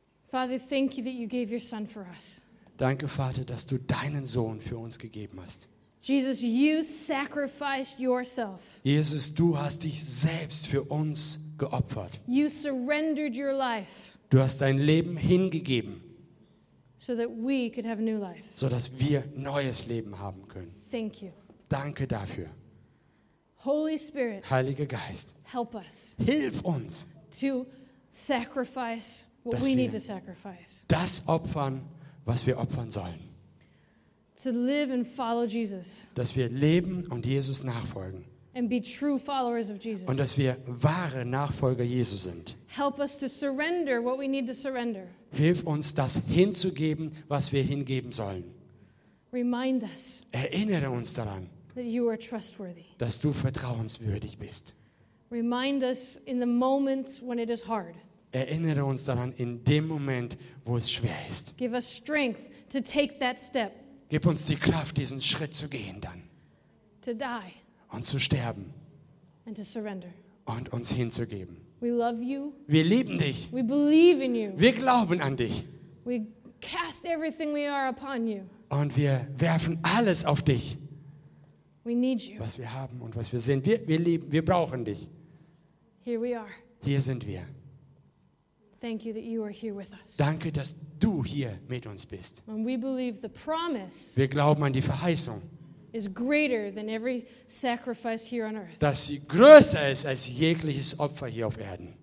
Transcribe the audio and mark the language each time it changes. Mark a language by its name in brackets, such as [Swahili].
[English] Father, thank you that you gave your son for us. [German] Danke, Vater, dass du deinen Sohn für uns gegeben hast. [English] Jesus, you sacrificed yourself. [German] Jesus, du hast dich selbst für uns geopfert. [English] You surrendered your life. [German] Du hast dein Leben hingegeben. [English] so that we could have new life. [German] So dass wir neues Leben haben können. [English] Thank you. [German] Danke dafür. [English] Holy Spirit. [German] Heiliger Geist. [English] Help us. [German] Hilf uns. [English] To sacrifice what we need to sacrifice. [German] Das opfern, was wir opfern sollen. [English] To live and follow Jesus. [German] Dass wir leben und Jesus nachfolgen. [English] And be true followers of Jesus. [German] Und dass wir wahre Nachfolger Jesu sind. [English] Help us to surrender what we need to surrender. [German] Hilf uns, das hinzugeben, was wir hingeben sollen. [English] Remind us. [German] Erinnere uns daran, [English] that you are trustworthy. [German] Dass du vertrauenswürdig bist. [English] Remind us in the moments when it is hard. [German] Erinnere uns daran in dem Moment, wo es schwer ist. [English] Give us strength to take that step. [German] Gib uns die Kraft, diesen Schritt zu gehen dann. [English] To die. [German] Und zu sterben. [English] And to surrender. [German] Und uns hinzugeben. [English] We love you. [German] Wir lieben dich. [English] We believe in you. [German] Wir glauben an dich. [English] We cast everything we are upon you. [German] Und wir werfen alles auf dich. [English] We need you. [German] Was wir haben und was wir sind. Wir lieben, wir brauchen dich. [English] Here we are. [German] Hier sind wir. [English] Thank you that you are here with us. [German] Danke, dass du hier mit uns bist. [English] And we believe the promise. [German] Wir glauben an die Verheißung. [English] Is greater than every sacrifice here on earth. [German] Dass sie größer ist als jegliches Opfer hier auf Erden.